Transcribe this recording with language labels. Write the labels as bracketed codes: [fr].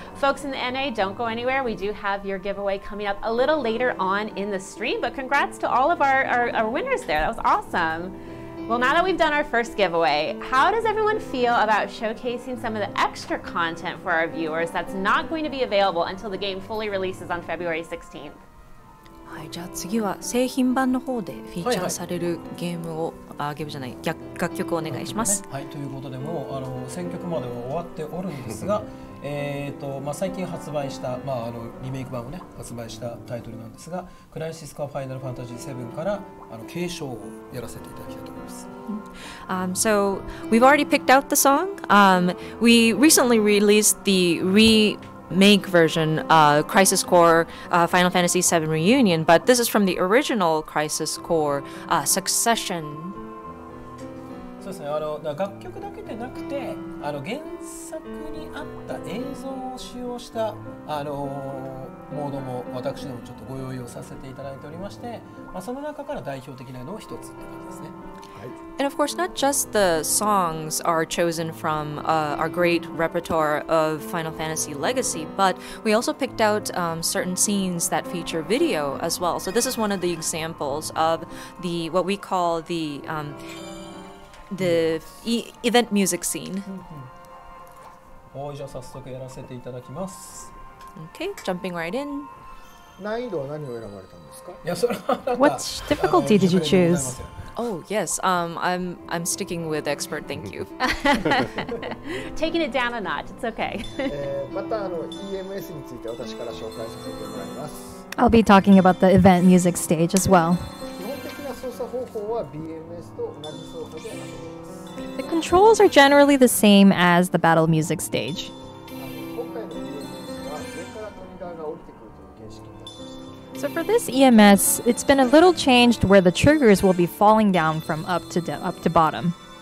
[en] Folks in the NA, don't go anywhere. We do have your giveaway coming up a little later on in the stream, but congrats to all of our winners there. That was awesome. Well, now that we've done our first giveaway, how does everyone feel about showcasing some of the extra content for our viewers that's not going to be available until the game fully releases on February 16th? [ja] はい、じゃあ次は製品版の方でフィーチャーされるゲームを、はいはい、あ、ゲームじゃない、楽曲をお願いします。はい、ということでもう選曲までは終わっておるんですが、まあ、最近発売した、まあ、あのリメイク版を、ね、発売したタイトルなんですが、クライシスコアファイナルファンタジー7からあの継承をやらせていただきたいと思います。 [en] So we've already picked out the song. We recently released the remake version Crisis Core Final Fantasy VII Reunion, but this is from the original Crisis Core Succession. [ja] そうですね。あの楽曲だけでなくて、あの原作にあった映像を使用したあのモードも私どもちょっとご用意をさせていただいておりまして、まあ、その中から代表的なのを一つって感じですね。 [en] And of course, not just the songs are chosen from our great repertoire of Final Fantasy Legacy, but we also picked out certain scenes that feature video as well. So this is one of the examples of the what we call the event music scene. [ja] はい、じゃあ早速やらせていただきます。 [en] Okay, jumping right in. [ja] 難易度は何を選ばれたんですか？いや、それは [en] What difficulty did you choose? Oh yes, I'm sticking with expert. Thank you. Taking it down a notch. It's okay. [ja] またあの EMS について私から紹介させてもらいます。 [en] I'll be talking about the event music stage as well. [ja] 基本的な操作方法は BMS と同じ操作です。 [en] The controls are generally the same as the battle music stage. [ja] 今回の BMS は上からトリガーが降りてくるという形式。 [en] So for this EMS, it's been a little changed where the triggers will be falling down from up to bottom.